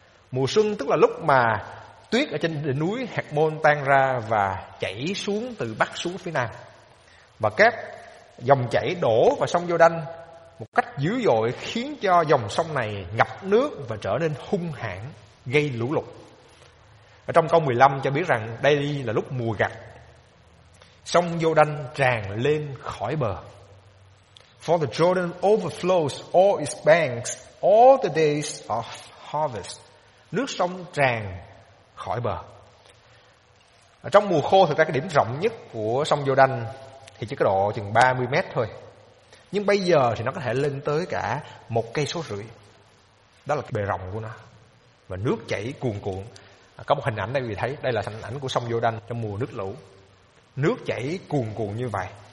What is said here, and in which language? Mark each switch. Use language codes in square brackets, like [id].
[vi] Mùa xuân tức là lúc mà tuyết ở trên đỉnh núi Hẹt-môn tan ra và chảy xuống từ bắc xuống phía nam, và các dòng chảy đổ vào sông Giô-đanh một cách dữ dội khiến cho dòng sông này ngập nước và trở nên hung hãn, gây lũ lụt. Ở trong câu 15 cho biết rằng đây là lúc mùa gặt, sông Giô-đanh tràn lên khỏi bờ. [en] For the Jordan overflows all its banks all the days of harvest. [vi] Nước sông tràn khỏi bờ. Ở trong mùa khô thì cái điểm rộng nhất của sông Giô-đanh thì chỉ có độ chừng 30 mét thôi, nhưng bây giờ thì nó có thể lên tới cả 1,5 cây. Đó là cái bề rộng của nó, và nước chảy cuồn cuộn. Có một hình ảnh đây quý vị thấy, đây là hình ảnh của sông Giô-đanh trong mùa nước lũ, nước chảy cuồn cuộn như vậy.